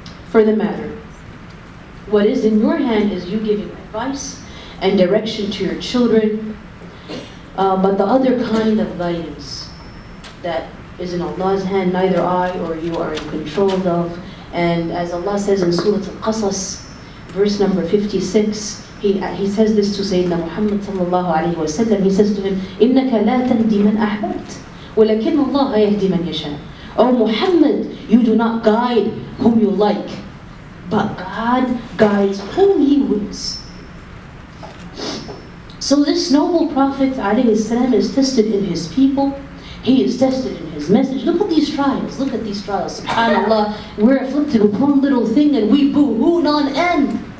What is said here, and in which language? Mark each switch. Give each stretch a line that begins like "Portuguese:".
English: For the matter, what is in your hand is you giving advice and direction to your children, but the other kind of guidance that is in Allah's hand, neither I or you are in control of. And as Allah says in Surah Al-Qasas, verse number 56, he says this to Sayyidina Muhammad sallallahu alayhi wa sallam. He says to him,
Arabic: إِنَّكَ لَا تَهْدِي مَنْ أَحْبَبْتَ وَلَكِنَّ اللَّهَ يَهْدِي مَنْ يَشَاءُ.
English: O Muhammad, you do not guide whom you like, but God guides whom He wills. So this noble Prophet alayhi salam is tested in his people. He is tested in his message. Look at these trials. SubhanAllah, we're afflicted with one little thing and we boo-hoo non-end.